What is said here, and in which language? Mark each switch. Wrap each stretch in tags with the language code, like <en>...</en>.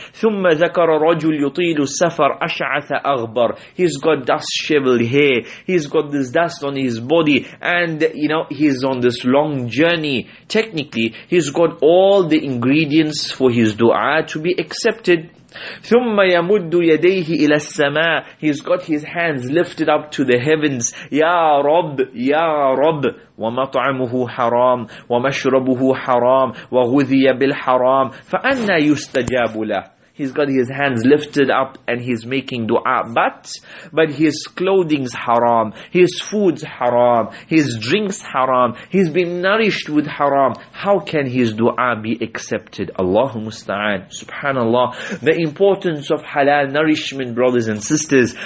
<ar>ثم ذكر رجل يطيل السفر أشعث أغبر.</ar> <en>He's got dust shriveled hair. He's got this dust on his body, and you know he's on this long journey. Technically, he's got all the ingredients for his du'a to be accepted.</en> <ar>ثم يمد يديه إلى السماء.</ar> <en>He's got his hands lifted up to the heavens.</en> <ar>يا رب ومطعمه حرام ومشربه حرام وغذي بالحرام فأنا يستجاب له.</ar> <en>He's got his hands lifted up and he's making dua, but his clothing's haram, his food's haram, his drink's haram, he's been nourished with haram. How can his dua be accepted? Allahu musta'an. Subhanallah. The importance of halal nourishment, brothers and sisters.</en>